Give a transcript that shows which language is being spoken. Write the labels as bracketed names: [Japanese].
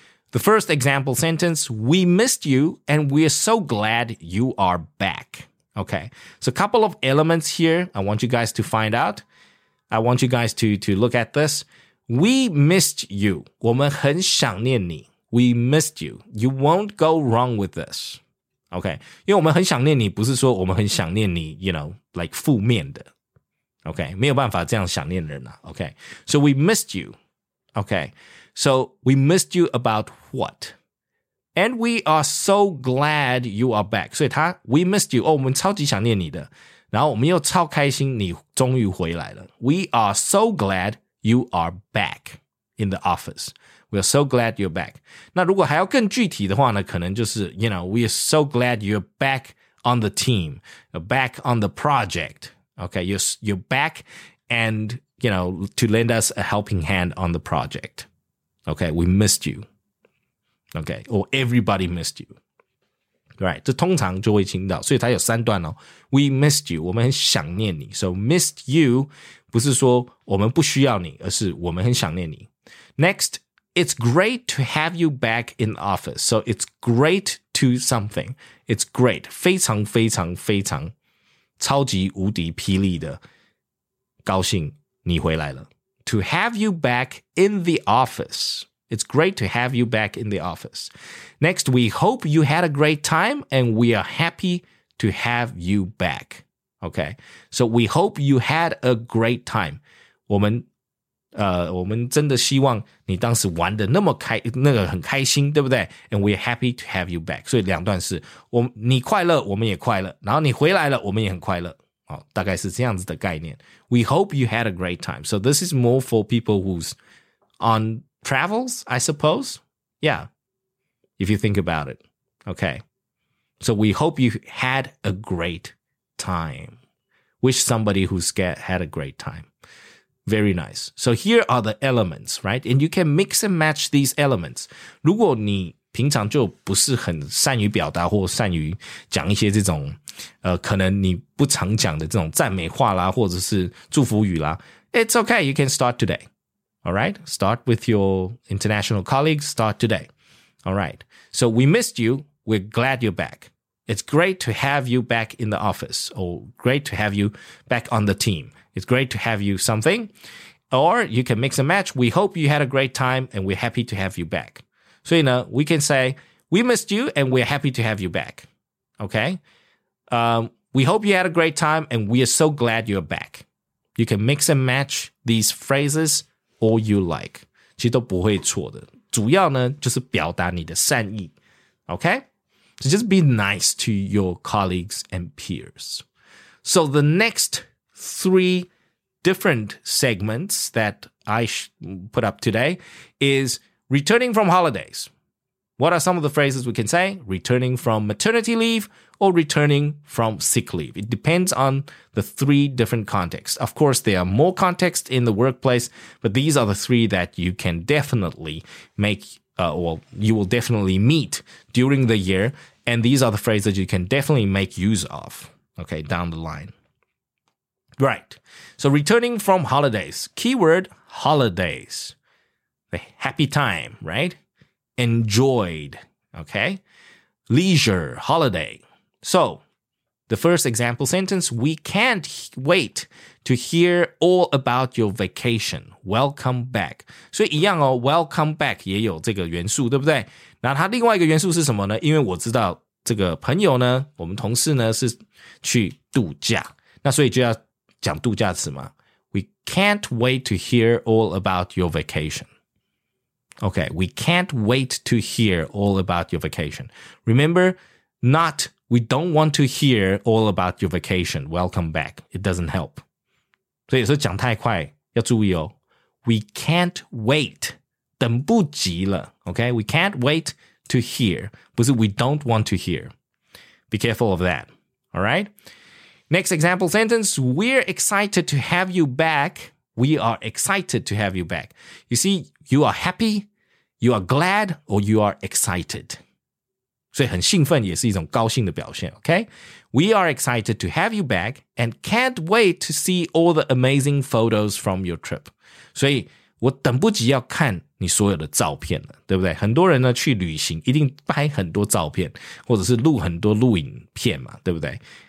[English] The first example sentence, we missed you, and we are so glad you are back. Okay, so a couple of elements here I want you guys to find out. I want you guys to look at this. We missed you. [Chinese] 我们很想念你. [English] We missed you. You won't go wrong with this. [Chinese] Okay, 因为我们很想念你不是说我们很想念你, [English] you know, like [Chinese] 负面的。 Okay, 没有办法这样想念人啊, okay. [English] So we missed you. Okay, so we missed you about what? And we are so glad you are back. [Chinese] 所以他, [English] we missed you. [Chinese] 哦, 我们超级想念你的。然后我们又超开心你终于回来了。 [English] We are so glad you are back in the office. We are so glad you're back. [Chinese] 那如果还要更具体的话呢,可能就是, [English] you know, we are so glad you're back on the team, back on the project. Okay, you're back and, you know, to lend us a helping hand on the project. Okay, we missed you. Okay, or everybody missed you. [Chinese] Right, 这通常就会听到，所以它有三段哦。 [English] We missed you, [Chinese] 我们很想念你。 [English] So missed you [Chinese] 不是说我们不需要你，而是我们很想念你。 [English] Next, it's great to have you back in the office. So it's great to something. It's great, [Chinese] 非常非常非常。超级无敌霹雳的高兴你回来了。 [English] To have you back in the office. It's great to have you back in the office. Next, we hope you had a great time and we are happy to have you back. Okay. So we hope you had a great time. [Chinese] 我们真的希望你当时玩得那么开那个很开心对不对 [English] And we're happy to have you back [Chinese] 所以两段是我你快乐我们也快乐然后你回来了我们也很快乐、哦、大概是这样子的概念 [English] We hope you had a great time So this is more for people who's on travels I suppose Yeah If you think about it Okay So we hope you had a great time Wish somebody who's had a great timeVery nice. So here are the elements, right? And you can mix and match these elements. [Chinese] 如果你平常就不是很善于表达或善于讲一些这种可能你不常讲的这种赞美话啦或者是祝福语啦 [English] It's okay, you can start today. All right? Start with your international colleagues. Start today. All right. So we missed you. We're glad you're back. It's great to have you back in the office or great to have you back on the team. It's great to have you something. Or you can mix and match. We hope you had a great time and we're happy to have you back. [Chinese] 所以呢 [English] we can say, we missed you and we're happy to have you back. Okay? We hope you had a great time and we are so glad you're back. You can mix and match these phrases all you like. [Chinese] 其实都不会错的。主要呢就是表达你的善意。 [English] Okay? So just be nice to your colleagues and peers. So the next... three different segments that I put up today is returning from holidays. What are some of the phrases we can say? Returning from maternity leave or returning from sick leave. It depends on the three different contexts. Of course, there are more contexts in the workplace, but these are the three that you can definitely make, well, you will definitely meet during the year. And these are the phrases you can definitely make use of, okay, down the line. Right. So returning from holidays. Keyword, holidays. The happy time, right? Enjoyed, okay? Leisure, holiday. So the first example sentence, we can't wait to hear all about your vacation. Welcome back. [Chinese] 所以一样哦 [English] welcome back [Chinese] 也有这个元素对不对那它另外一个元素是什么呢因为我知道这个朋友呢我们同事呢是去度假。那所以就要讲度假词吗 [English] We can't wait to hear all about your vacation. Okay, we can't wait to hear all about your vacation. Remember, not, we don't want to hear all about your vacation. Welcome back. It doesn't help. [Chinese] 所以有时候讲太快要注意哦 [English] We can't wait. [Chinese] 等不及了 [English] Okay, we can't wait to hear. [Chinese] 不是 [English] we don't want to hear. Be careful of that. All right. Next example sentence. We're excited to have you back. We are excited to have you back. You see, you are happy, you are glad, or you are excited. [Chinese] 所以很兴奋也是一种高兴的表现, okay? [English] We are excited to have you back and can't wait to see all the amazing photos from your trip. [Chinese] 所以我等不及要看你所有的照片了,对不对? 很多人呢去旅行一定拍很多照片,或者是录很多录影片嘛,对不对?